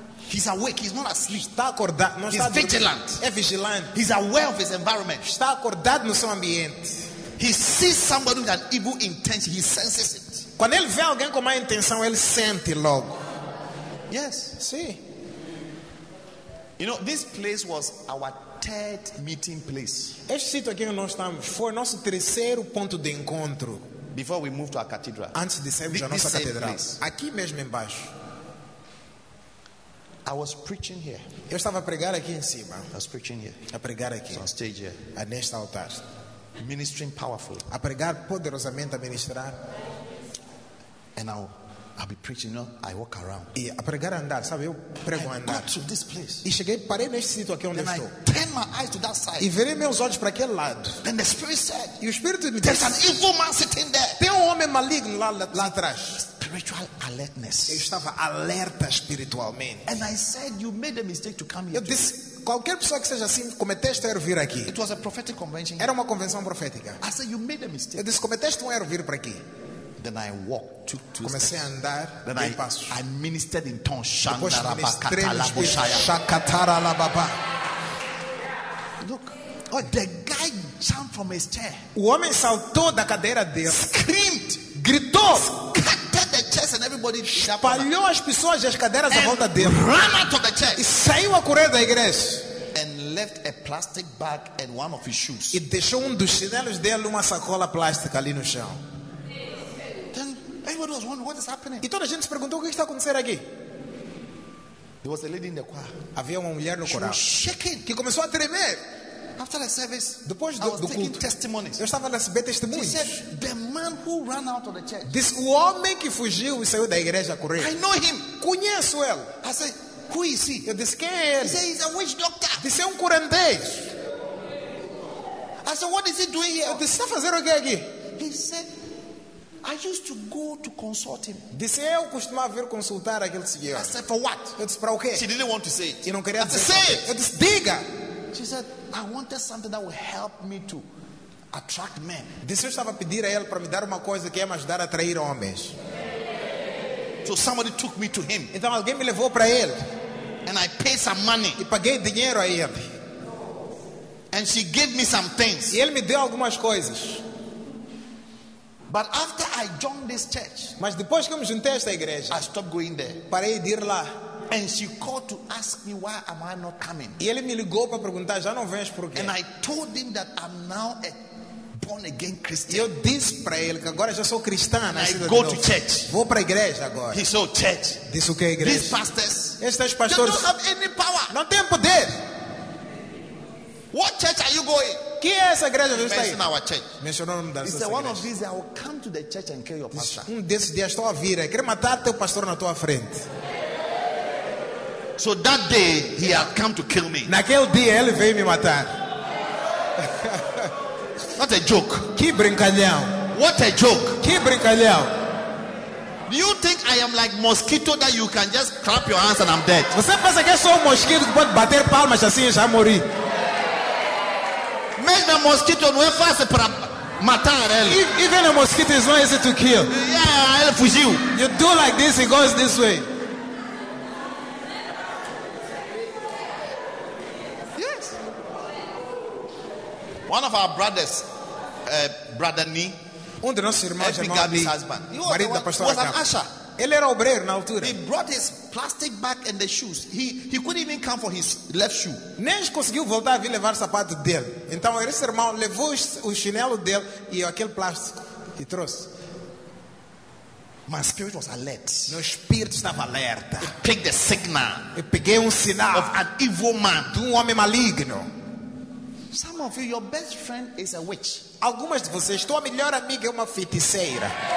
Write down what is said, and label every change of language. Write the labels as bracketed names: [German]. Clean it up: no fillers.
[English] He's awake. He's not asleep. [Portuguese] Está acordado. Não [English] he's [Portuguese] está [English] vigilant. [Portuguese] É vigilante. [English] He's aware of his environment. [Portuguese] Está acordado no seu ambiente. [English] He sees somebody with an evil intention. He senses it. [Portuguese] Quando ele vê alguém com má intenção, ele sente logo. [English] Yes, see. You know, this place was our third meeting place. [Portuguese] Este sítio aqui onde nós estamos foi nosso terceiro ponto de encontro. [English] Before we moved to our cathedral. [Portuguese] Antes de sairmos da nossa catedral. Aqui mesmo embaixo. [English] I was preaching here. [Portuguese] Eu estava a pregar aqui em cima. [English] I was preaching here. [Portuguese] A pregar aqui. [English] On stage here. [Portuguese] A neste altar. [English] Ministering powerfully. [Portuguese] A pregar poderosamente, a ministrar. [English] And I'll be preaching, you know, I walk around. [Portuguese] E a pregar andar, sabe, eu prego andar. [English] I got to this place. [Portuguese] E cheguei, parei neste sítio aqui onde [English] then [Portuguese] estou. [English] I turn my eyes to that side. [Portuguese] E virei meus olhos para aquele lado. [English] Then the spirit said, [Portuguese] e o Espírito me [English] there's [Portuguese] disse, [English] an evil man sitting there. [Portuguese] Tem um homem maligno lá atrás. [English] Spiritual alertness. [Portuguese] Eu estava alerta espiritualmente. [English] And I said, you made a mistake to come here. [Portuguese] Eu disse, qualquer pessoa que seja assim, cometeste um erro vir aqui. [English] It was a prophetic convention. [Portuguese] Era uma convenção profética. [English] I said, you made a mistake. [Portuguese] Eu disse, cometeste um erro vir para aqui. [English] Then I walked to [Portuguese] comecei a andar, [English] then [Portuguese] dei passos. [English] I ministered in tongues. [Portuguese] Depois ministrei em espírito. Shakatara la baba. [English] Look, oh, the guy jumped from his chair. [Portuguese] O homem saltou da cadeira dele. [English] Screamed, [Portuguese] gritou. [English] Scattered the chairs and everybody. [Portuguese] Espalhou as pessoas e as cadeiras à volta dele. [English] Ran out of the church. [Portuguese] E saiu a correr da igreja. [English] And left a plastic bag and one of his shoes. [Portuguese] E deixou um dos chinelos dele uma sacola plástica ali no chão. [English] Everybody was wondering what is happening. [Portuguese] E toda a gente se perguntou o que está acontecendo aqui. [English] There was a lady in the choir. [Portuguese] Havia uma mulher no coral. [English] She was shaking. [Portuguese] Que começou a tremer. [English] After the service, [Portuguese] depois do culto, [English] testimonies. [Portuguese] Eu estava a receber testemunhos. [English] She said, the man who ran out of the church. This woman [Portuguese] que fugiu e saiu da igreja correndo. [English] I know him. [Portuguese] Conheço ele. [English] I said, who is he? [Portuguese] Eu disse, quem é ele? [English] He said, he's a witch doctor. [Portuguese] Disse, é um curandês. [English] I said, what is he doing here? [Portuguese] Eu disse, está fazendo o que aqui? [English] He said, I used to go to consult him. [Portuguese] Disse, eu costumava vir consultar aquele senhor. [English] I said, for what? [Portuguese] Eu disse, para o quê? [English] She didn't want to say it. [Portuguese] E não queria [English] I [Portuguese] dizer. [English] Say it. [Portuguese] Eu disse, diga. [English] She said, I wanted something that would help me to attract men. [Portuguese] Disse, eu estava a pedir a ele para me dar uma coisa que ia me ajudar a atrair homens. [English] So somebody took me to him. [Portuguese] Então alguém me levou para ele. [English] And I paid some money. [Portuguese] E paguei dinheiro a ele. [English] And she gave me some things. [Portuguese] E ele me deu algumas coisas. [English] But after I joined this church, [Portuguese] mas depois que eu me juntei a esta igreja, [English] I stopped going there. [Portuguese] Parei de ir lá. [English] And she called to ask me why am I not coming. [Portuguese] E ele me ligou para perguntar, já não vens por quê? [English] And I told him that I'm now a born again Christian. [Portuguese] E eu disse para ele que agora já sou cristã. [English] I go to church. [Portuguese] Vou para a igreja agora. [English] He said church. [Portuguese] Disse o que é igreja? [English] These pastors, [Portuguese] estes pastores, [English] they don't have any power. [Portuguese] Não tem poder. [English] What church are you going? [Portuguese] Que é essa igreja que está aí? [English] Mention our church. [Portuguese] Mencionou o nome da [English] he [Portuguese] nossa [English] said, [Portuguese] igreja. [English] One of these, I will come to the church and kill your pastor. [Portuguese] Um desses dias estou a vir, é querer matar teu pastor na tua frente. [English] So that day he had come to kill me. [Portuguese] Naquele dia ele veio me matar. [English] What a joke. [Portuguese] Que brincalhão. [English] What a joke. [Portuguese] Que brincalhão. [English] Do you think I am like mosquito that you can just clap your hands and I'm dead? [Portuguese] Você pensa que eu sou um mosquito que pode bater palmas assim e já morri? Mesmo mosquito não é fácil para matar ele. [English] Even a mosquito is not easy to kill. [Portuguese] Yeah, ele fugiu. [English] You do like this, it goes this way. Yes. One of our brothers, brother Ni, [Portuguese] um de nossos irmãos, [English] Gabi's husband, [Portuguese] marido da pastora Asha. Ele era obreiro na altura. [English] He brought his plastic bag and the shoes. He couldn't even come for his left shoe. [Portuguese] Nem conseguiu voltar a vir levar o sapato dele. Então esse irmão levou o chinelo dele e aquele plástico que trouxe. [English] My spirit was alert. [Portuguese] Meu espírito estava alerta. [English] I picked a signal. [Portuguese] Eu peguei um sinal [English] of an evil man. [Portuguese] De um homem maligno. [English] Some of you, your best friend is a witch. [Portuguese] Algumas de vocês, tua melhor amiga é uma feiticeira.